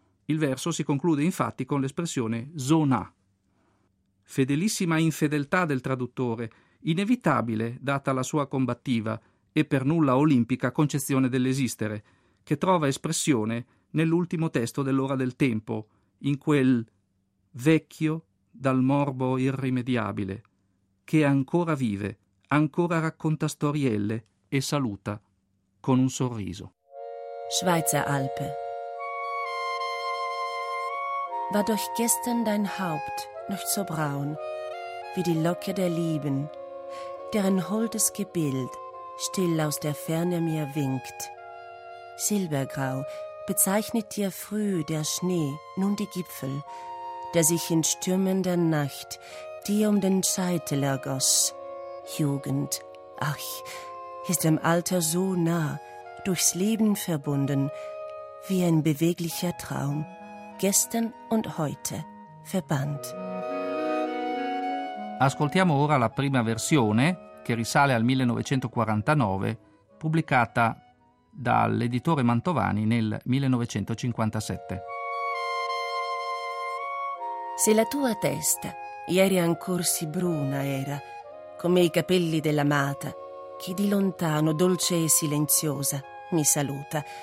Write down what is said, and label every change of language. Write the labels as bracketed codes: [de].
[it] Il verso si conclude infatti con l'espressione «zona». Fedelissima infedeltà del traduttore, inevitabile data la sua combattiva e per nulla olimpica concezione dell'esistere, che trova espressione nell'ultimo testo dell'Ora del Tempo, in quel «vecchio dal morbo irrimediabile, che ancora vive, ancora racconta storielle e saluta con un sorriso». [de] Schweizer Alpe. War durch gestern dein Haupt noch so braun wie die Locke der Lieben, deren holdes Gebild still aus der Ferne mir winkt. Silbergrau bezeichnet dir früh der Schnee, nun die Gipfel, der sich in stürmender Nacht dir um den Scheitel ergoss. Jugend, ach, ist dem Alter so nah, durchs Leben verbunden, wie ein beweglicher Traum, gestern und heute verbannt. [it] Ascoltiamo ora la prima versione, che risale al 1949, pubblicata dall'editore Mantovani nel 1957. Se la tua testa ieri ancor si bruna era, come i capelli dell'amata, che di lontano, dolce e silenziosa, mi saluta.